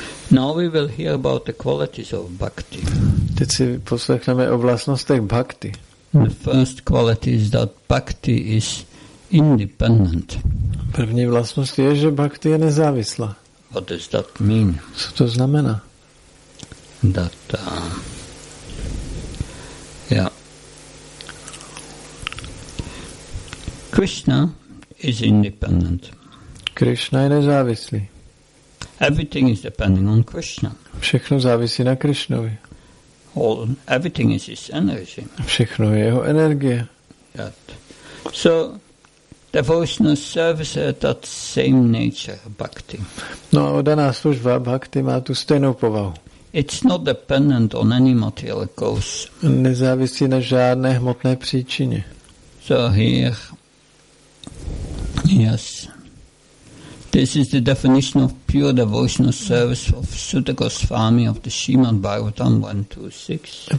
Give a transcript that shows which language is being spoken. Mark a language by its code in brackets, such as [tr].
[en] Now we will hear about the qualities of Bhakti. [cs] Teď si poslechneme o vlastnostech bhakti. [en] The first quality is that bhakti is independent. [cs] První vlastnost je, že bhakti je nezávislá. [en] What does that mean? [cs] Co to znamená? [en] That, Krishna is independent. [cs] Krishna je nezávislý. [en] Everything is depending on Krishna. [cs] Všechno závisí na Krishnovi. [en] All, everything is his energy. [cs] Všechno je jeho energie. [en] That. So, devotional service has that same nature, bhakti. [cs] No a oddaná služba, bhakti, má tu stejnou povahu. [en] It's not dependent on any material cause. [cs] Nezávisí na žádné hmotné příčině. [en] So here, yes. This is the definition of pure devotional service of Suta Goswami of the Srimad Bhagavatam 1.2.6.